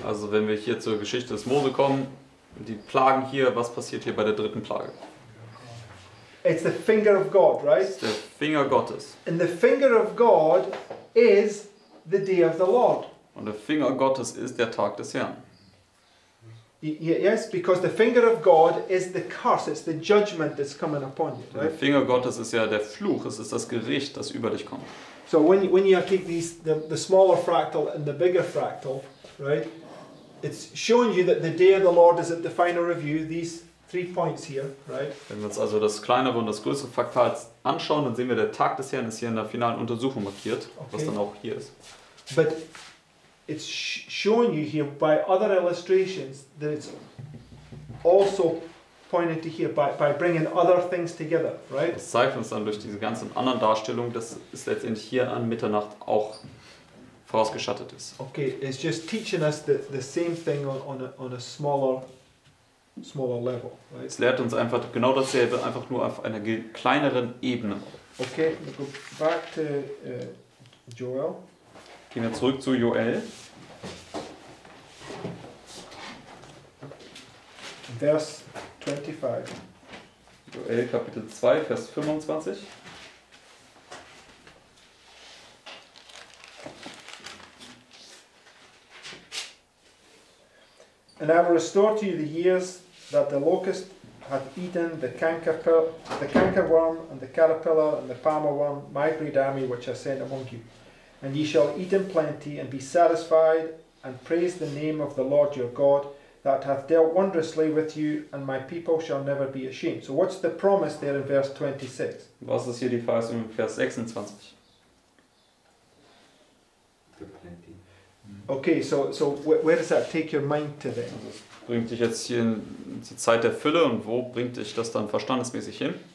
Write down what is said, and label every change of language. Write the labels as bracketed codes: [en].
[de] Also wenn wir hier zur Geschichte des Mose kommen, die Plagen hier, was passiert hier bei der dritten Plage? [en] It's the finger of God, right? It's the finger Gottes. And the finger of God is the day of the Lord. [de] Und der Finger Gottes ist der Tag des Herrn. [en] Yes, because the finger of God is the curse, it's the judgment that's coming upon you, right? [de] Der Finger Gottes ist ja der Fluch, es ist das Gericht, das über dich kommt. [en] So when you take these the smaller fractal and the bigger fractal, right? It's showing you that the day of the Lord is at the final review, these three points here, right? [de] Wenn wir uns also das kleinere und das größere Fraktal anschauen, dann sehen wir, der Tag des Herrn ist hier in der finalen Untersuchung markiert, okay. Was dann auch hier ist. [en] But it's showing you here by other illustrations that it's also pointed to here by bringing other things together, right? [de] Das zeigt uns dann durch diese ganzen anderen Darstellungen, dass es letztendlich hier an Mitternacht auch vorausgeschattet ist. [en] Okay, it's just teaching us the same thing on a smaller level, right? [de] Es lehrt uns einfach genau dasselbe, einfach nur auf einer kleineren Ebene. [en] Okay, we go back to Joel. [de] Gehen wir zurück zu Joel. Vers 25. Joel Kapitel 2, Vers 25. [en] And I will restore to you the years that the locust had eaten, the cankerworm and the caterpillar and the palmer worm, my great army which I sent among you. And ye shall eat in plenty, and be satisfied, and praise the name of the Lord your God, that hath dealt wondrously with you, and my people shall never be ashamed. So what's the promise there in verse 26? [de] Was ist hier die Verheißung in Vers 26? [en] Okay, so where does that take your mind to then? [de] Also, bringt dich jetzt hier in die Zeit der Fülle, und wo bringt dich das dann verstandesmäßig hin?